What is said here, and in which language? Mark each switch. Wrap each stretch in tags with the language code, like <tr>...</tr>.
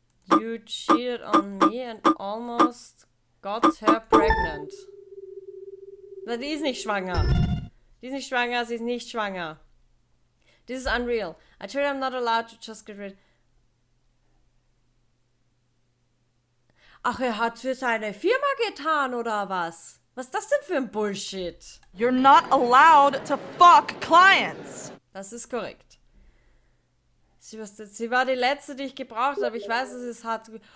<en>You cheated on me and almost got her pregnant.</en> <de>Na, die ist nicht schwanger. Die ist nicht schwanger, sie ist nicht schwanger.</de> <en>This is unreal. I told you I'm not allowed to just get rid...</en> <de>Ach, er hat's für seine Firma getan, oder was? Was ist das denn für ein Bullshit?</de> <en>You're not allowed to fuck clients.</en> <de>Das ist korrekt. Sie war die Letzte, die ich gebraucht habe. Ich weiß, es ist hart.</de>